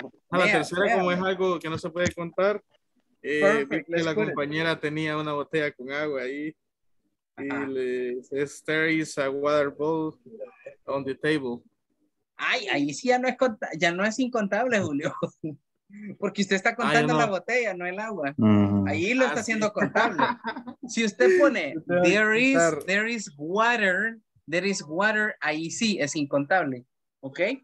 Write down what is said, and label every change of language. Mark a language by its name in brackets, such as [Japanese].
[Spanish] La tercera, como es algo que no se puede contar, la compañera tenía una botella con agua ahí. [English] Y le says, there is a water bottle on the table. [Spanish] Ay, ahí sí ya no es incontable, Julio. Porque usted está contando la botella, no el agua. Mm. Ahí lo está haciendo contable. Si usted pone [English] there is water, [Spanish] ahí sí es incontable, ¿ok?